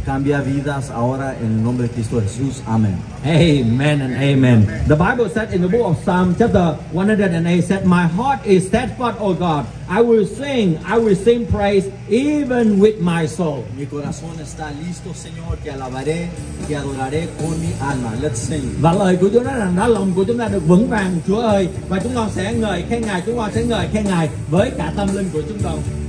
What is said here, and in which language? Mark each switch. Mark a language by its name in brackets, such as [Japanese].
[Spanish] Cambia vidas ahora en el nombre de Cristo Jesús. [English] Amen. Amen and amen. Amen. The Bible said in the book of Psalm chapter 108 said, my heart is steadfast, O God. I will sing praise even with my soul. [Spanish] Mi corazón está listo, Señor, que alabaré, que adoraré con mi alma. [English] Let's sing. [Vietnamese] Và lời của Chúa nói rằng đó lòng của chúng ta được vững vàng, Chúa ơi, và chúng con sẽ ngợi khen ngài, chúng con sẽ ngợi khen ngài với cả tâm linh của chúng con.